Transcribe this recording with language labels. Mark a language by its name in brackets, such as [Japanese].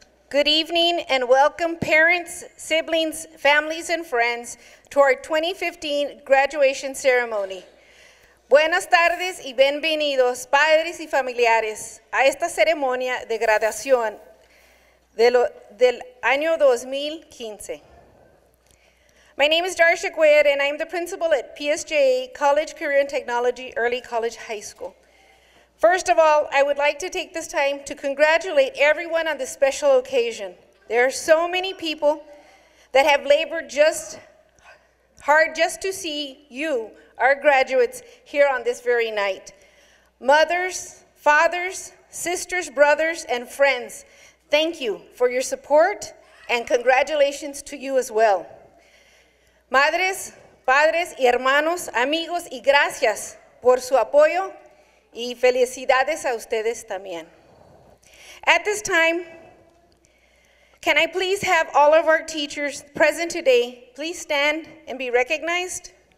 [English] Good evening and welcome parents, siblings, families, and friends to our 2015 graduation ceremony. [Spanish] Buenas tardes y bienvenidos, padres y familiares, a esta ceremonia de graduación del año 2015. [English] My name is Darsha Guayad, and I'm the principal at PSJA College Career and Technology Early College High School. First of all, I would like to take this time to congratulate everyone on this special occasion. There are so many people that have labored hard just to see you, our graduates, here on this very night. Mothers, fathers, sisters, brothers, and friends, thank you for your support and congratulations to you as well. [Spanish] Madres, padres, y hermanos, amigos, y gracias por su apoyo y felicidades a ustedes también. [English] At this time, can I please have all of our teachers present today please stand and be recognized?